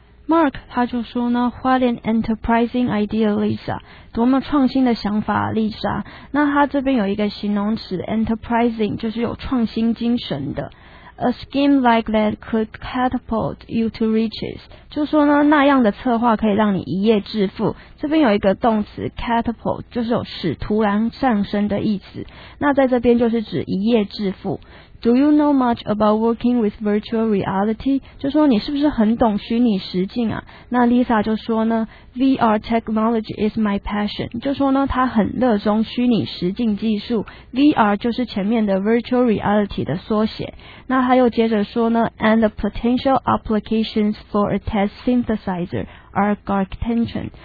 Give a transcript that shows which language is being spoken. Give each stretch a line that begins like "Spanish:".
English: Mark
Chinese: 他就说呢
English: ,What an enterprising idea, Lisa.
Chinese: 多么创新的想法 ,Lisa. 那他这边有一个形容词 ,enterprising, 就是有创新精神的。
English: A scheme like that could catapult you to riches.
Chinese: 就说呢那样的策划可以让你一夜致富。这边有一个动词 catapult, 就是有使突然上升的意思。那在这边就是指一夜致富。
English: Do you know much about working with virtual reality?
Chinese: 就说你是不是很懂虚拟实境啊？那
English: Lisa
Chinese: 就说呢
English: ,VR technology is my passion.
Chinese: 就说呢她很热衷虚拟实境技术。 VR 就是前面的 virtual reality 的缩写。那她又接着说呢
English: ,and the potential applications for a test synthesizer are gargantuan.